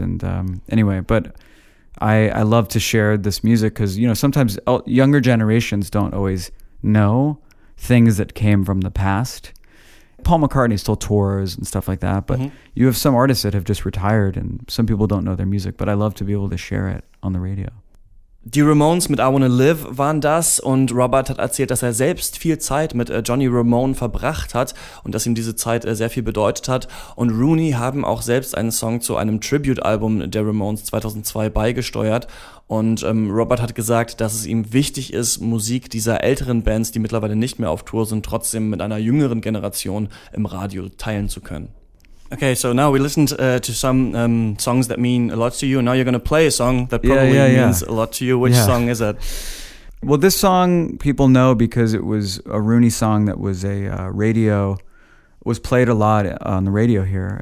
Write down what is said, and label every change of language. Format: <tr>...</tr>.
<en>And anyway, but I love to share this music because, you know, sometimes younger generations don't always know things that came from the past. Paul McCartney still tours and stuff like that, but you have some artists that have just retired and some people don't know their music, but I love to be able to share it on the radio.</en> <de>Die Ramones mit I Wanna Live waren das und Robert hat erzählt, dass er selbst viel Zeit mit Johnny Ramone verbracht hat und dass ihm diese Zeit sehr viel bedeutet hat und Rooney haben auch selbst einen Song zu einem Tribute-Album der Ramones 2002 beigesteuert. Und Robert hat gesagt, dass es ihm wichtig ist, Musik dieser älteren Bands, die mittlerweile nicht mehr auf Tour sind, trotzdem mit einer jüngeren Generation im Radio teilen zu können.</de> <en>Okay, so now we listened to some songs that mean a lot to you. Now you're going to play a song that probably means a lot to you. Which song is it? Well, this song people know because it was a Rooney song that was a radio, was played a lot on the radio here.</en>